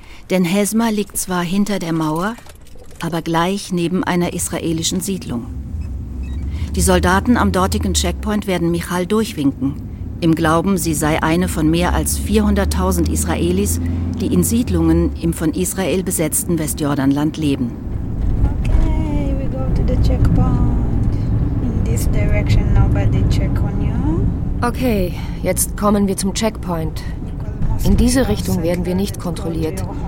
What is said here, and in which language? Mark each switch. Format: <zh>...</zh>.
<de>Denn Hesma liegt zwar hinter der Mauer, aber gleich neben einer israelischen Siedlung. Die Soldaten am dortigen Checkpoint werden Michal durchwinken, im Glauben, sie sei eine von mehr als 400.000 Israelis, die in Siedlungen im von Israel besetzten Westjordanland leben.</de> <en>Okay, we go to the checkpoint. In this direction, nobody check on you.</en> <de>Okay, jetzt kommen wir zum Checkpoint. In diese Richtung werden wir nicht kontrolliert.</de>